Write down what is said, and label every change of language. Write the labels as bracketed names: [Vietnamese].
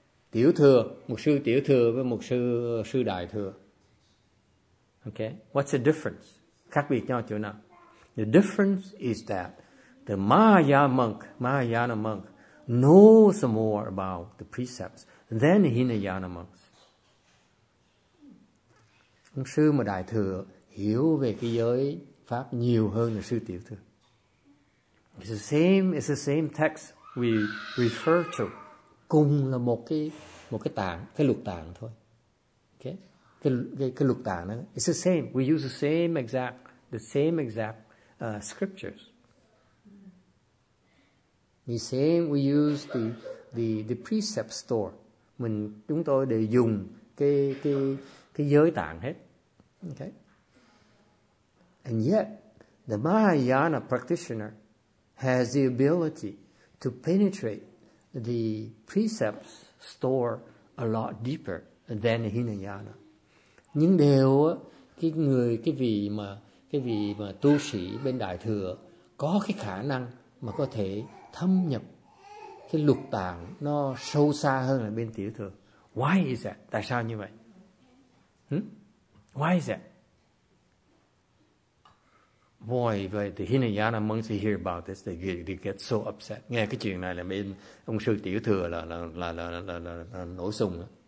[Vietnamese] Tiểu thừa, một sư tiểu thừa với một sư đại thừa. [English] Okay. What's the difference? [Vietnamese] Khác biệt nhau chỗ nào? [English] The difference is that the Mahayana monk knows more about the precepts than the Hinayana monks. [Vietnamese] Ông sư mà đại thừa hiểu về cái giới pháp nhiều hơn là sư tiểu thừa. [English] It's the same text we refer to. [Vietnamese] Cùng là một cái tạng, cái luật tạng thôi. Okay? Cái luật tạng đó. [English] It's the same. We use the same exact scriptures. The same we use the precept store. [Vietnamese] Chúng tôi đều dùng cái giới tạng hết. [English] Okay. And yet, the Mahayana practitioner has the ability to penetrate the precepts store a lot deeper than the Hinayana. [Vietnamese] Nhưng đều cái vị mà tu sĩ bên đại thừa có cái khả năng mà có thể thâm nhập cái lục tạng nó sâu xa hơn là bên tiểu thừa. [English] Why is that? [Vietnamese] Tại sao như vậy? [English] Why is that? Boy, but the Hinayana monks hear about this, they get so upset. [Vietnamese] Nghe cái chuyện này là bên ông sư tiểu thừa là nổi sùng.